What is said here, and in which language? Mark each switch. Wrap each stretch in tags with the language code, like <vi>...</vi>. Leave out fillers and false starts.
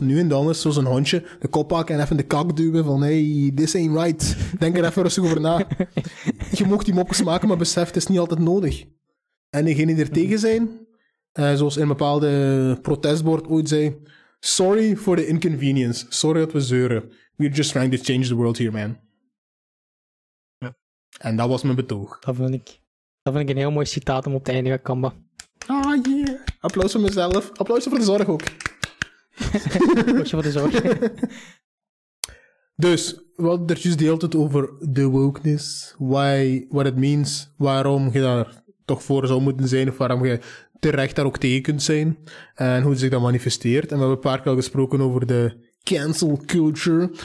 <nl>Nu en dan is zoals een hondje de kop pakken en even de kak duwen van</nl> <en>hey, this ain't right.</en> <nl>Denk er even rustig over na. Je mocht die mopjes maken, maar besef, het is niet altijd nodig. En degenen die er tegen zijn, zoals een bepaalde protestbord ooit zei,</nl> <en>sorry for the inconvenience.</en> <nl>Sorry dat we zeuren.</nl> <en>We're just trying to change the world here, man.</en> <nl>Ja. En dat was mijn betoog. Dat vind ik een heel mooi citaat om op te eindigen, Kamba. Ah, oh, yeah. Applaus voor mezelf. Applaus voor de zorg ook. Applaus voor de zorg. Dus, wat er juist deelt het over de wokeness,</nl> <en>why, what it means,</en> <nl>waarom je daar toch voor zou moeten zijn, of waarom je terecht daar ook tegen kunt zijn, en hoe het zich dat manifesteert. En we hebben een paar keer al gesproken over de cancel culture.</nl>